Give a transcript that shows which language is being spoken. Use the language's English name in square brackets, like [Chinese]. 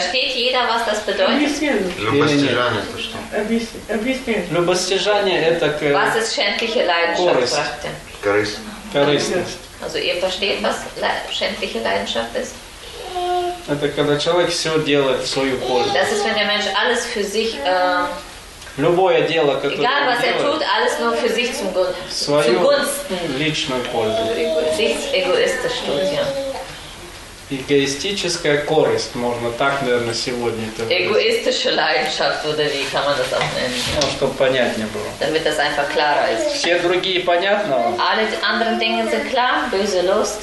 [German] Versteht jeder, was das bedeutet? [Russian] Любостяжание это что? Объясни. Любостяжание это [German] Was ist schändliche Leidenschaft? [Russian] Корысть. Корысть. Корыстность. [German] Also ihr versteht, was schändliche Leidenschaft ist? [Russian] Это когда человек все делает в свою пользу. [German] Das ist, wenn der Mensch alles für sich [Russian] Любое дело, которое [German] egal, was [Russian] делает, [German] er tut, alles nur für sich zum Gunsten. [Russian] Личную пользу. Эгоистично тут, ja. Эгоистическая корысть, можно так, наверное, сегодня это говорить. Эгоистическая [German] Leidenschaft, oder wie kann man das auch nennen? [Russian] Ну, чтобы понятнее было. [German] Damit das einfach klarer ist. [Russian] Все другие понятно вам? [German] Alle anderen Dinge sind klar, böse Lust.